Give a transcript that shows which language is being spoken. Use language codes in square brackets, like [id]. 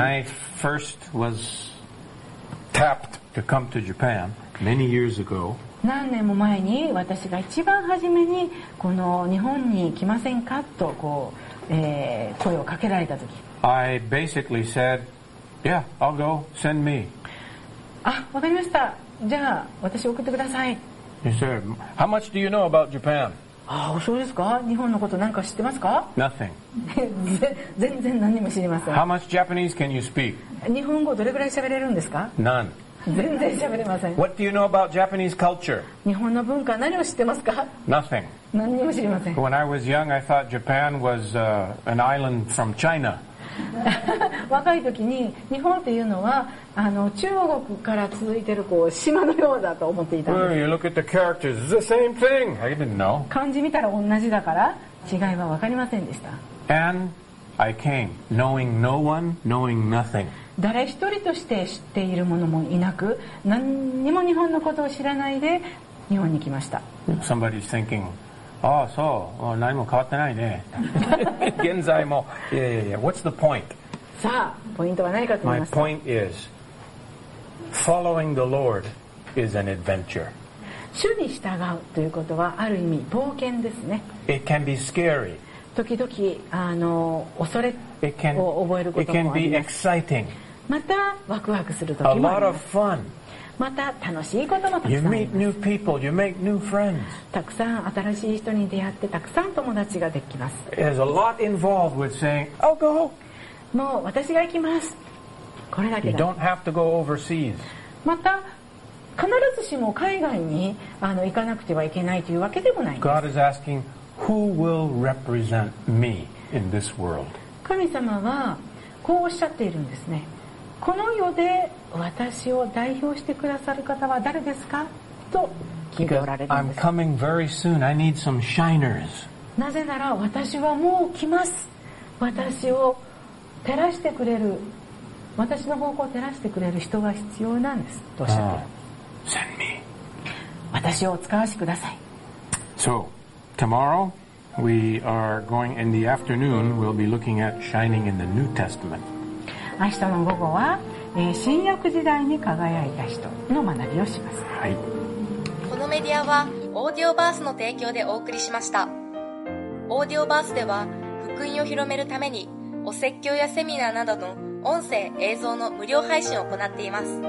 [en] When I first was tapped to come to Japan many years ago, [ja] 何年も前に私が一番初めにこの日本に来ませんかとこう、声をかけられた時、 [en] I basically said, "Yeah, I'll go. Send me." [ja] あ、わかりました、じゃあ私送ってください。 [en] He said, "How much do you know about Japan?" [ja] ああ、そうですか。日本のことなんか知ってますか [en] ？Nothing. [ja] 全然何も知りません。 [en] How much Japanese can you speak? [ja] 日本語どれぐらい喋れるんですか [en] ？None. [ja] 全然喋れません。 [en] What do you know about Japanese culture? [ja] 日本の文化何を知ってますか [en] ？Nothing. [ja] 何も知りません。 [en] When I was young, I thought Japan was an island from China. [ja] 若い時に日本っていうのは中国から続いてるこう島のようだと思っていたんです。 [en] Well, you look at the characters, it's the same thing. I didn't know. [ja] 漢字見たら同じだから違いは分かりませんでした。 [en] And I came, knowing no one, knowing nothing. [ja] 誰一人として知っている者もいなく、何にも日本のことを知らないで日本に来ました。 [en] Somebody's thinking, oh, so, [ja] 何も変わってないね。現在も、 [en] What's the point? [ja] さあ、ポイントは何かと思いますか? [en] My point is, following the Lord is an adventure. [ja] 主に従うということはある意味冒険ですね。 [en] It can be scary. [ja] 時々恐れを覚えることもあります。 [en] It can be exciting. [ja] またワクワクする時もあります。 [en] A lot of fun. [ja] また楽しいこともたくさんあります。 [en] You meet new people. You make new friends. [ja] たくさん新しい人に出会ってたくさん友達ができます。 [en] There's a lot involved with saying, "I'll go." [ja] もう私が行きます。これだけだ。 [en] You don't have to go overseas. [ja] また必ずしも海外に行かなくてはいけないというわけでもないんです。 [en] God is asking, who will represent me in this world? [ja] 神様はこうおっしゃっているんですね。この世で私を代表してくださる方は誰ですか? と聞いておられるんです。 [en] I'm coming very soon. I need some shiners. [ja] なぜなら私はもう来ます。私を照らしてくれる、私の方向を照らしてくれる人が必要なんです。とおっしゃっている。 [en] Send me. [ja] 私をお使わしください。 [en] So, tomorrow we are going in the afternoon. We'll be looking at shining in the New Testament. [ja] 明日の午後は、新約時代に輝いた人の学びをします。はい。このメディアはオーディオバースの提供でお送りしました。オーディオバースでは福音を広めるためにお説教やセミナーなどの音声、映像の無料配信を行っています。